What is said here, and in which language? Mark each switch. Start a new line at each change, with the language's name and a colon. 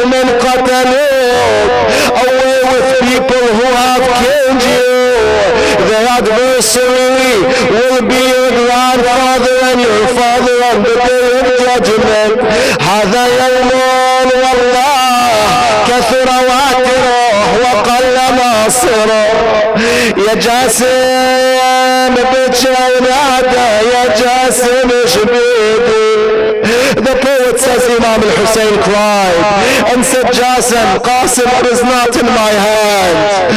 English: Away with people who have killed you. The adversary will be your grandfather and your father on the day of judgment.
Arabic: هذا يوم والله كثر واتره وقل ناصره. يا جاسم بجي نادى يا جاسم شبيبي.
English: The poet says Imam al-Hussein cried and said, Jasim, Qasim is not in my hands.